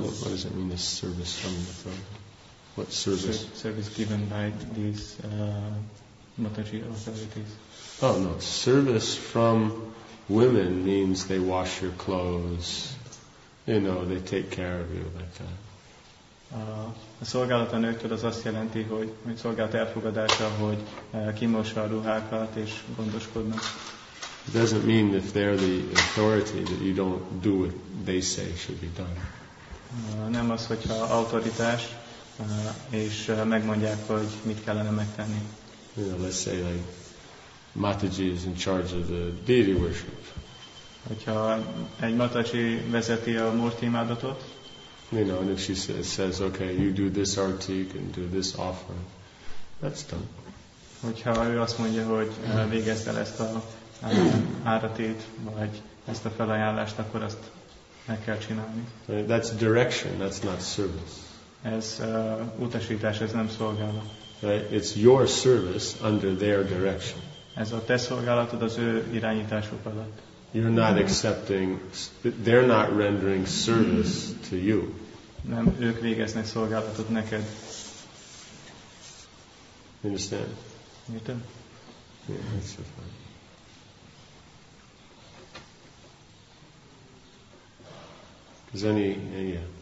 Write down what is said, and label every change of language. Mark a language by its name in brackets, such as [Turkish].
[English] what does it mean, this service from the authority? What service? Service given by these mataji authorities. Oh no, service from women means they wash your clothes, you know, they take care of you like that. [Hungarian] A szolgálat a nőktől az azt jelenti, hogy mint szolgálat elfogadása, hogy kimossa a ruhákat és gondoskodnak. [English] It doesn't mean if they're the authority that you don't do what they say should be done. [Hungarian] Nem az, hogyha autoritás és megmondják, hogy mit kellene megtenni. [English] You know, let's say like Mataji is in charge of the deity worship. [Hungarian] Hogyha egy Mataji vezeti a murti imádatot, [English] you know, and if she says, okay, you do this artik and do this offering, that's done. [Hungarian] Hogyha ő azt mondja, hogy végezd el ezt a áratét, vagy ezt a felajánlást, akkor azt meg kell csinálni. [English] That's direction, that's not service. [Hungarian] Ez utasítás, ez nem szolgálat. [English] It's your service under their direction. [Hungarian] Ez a te szolgálatod az ő irányításuk alatt. [English] You're not accepting, they're not rendering service to you. [Hungarian] Nem, ők végeznek szolgálatot neked. [English] Understand? [Hungarian] Értem? [English] Yeah, that's so fine. Is any, yeah.